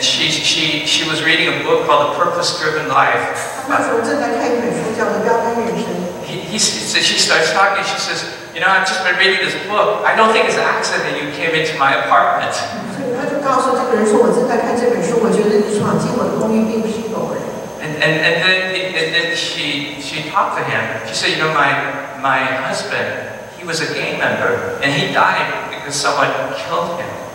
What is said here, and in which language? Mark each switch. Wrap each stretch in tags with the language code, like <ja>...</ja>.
<en>she was reading a book called The Purpose Driven Life.</en> <zh>那时候正在看一本书，叫《标杆女神》。</zh> <en>She starts talking. She says, "You know, I've just been reading this book. I don't think it's an accident that you came into my apartment."</en> <zh>告诉这个人说，我正在看这本书，我觉得你闯进我的公寓并不是偶然。</zh> <en>And then she talked to him. She said, you know, my husband, he was a gang member, and he died because someone killed him.</en>